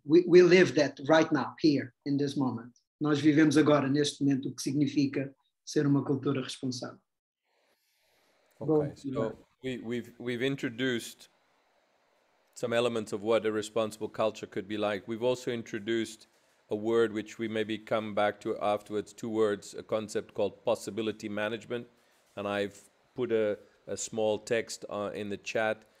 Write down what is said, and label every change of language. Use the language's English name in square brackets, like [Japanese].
[English] We live that right now, here, in this moment. [Portuguese] Nós vivemos agora, neste momento, o que significa ser uma cultura responsável. [English] Okay, we've introduced some elements of what a responsible culture could be like. We've also introduced a word which we maybe come back to afterwards, two words, a concept called possibility management. And I've put a small text in the chat.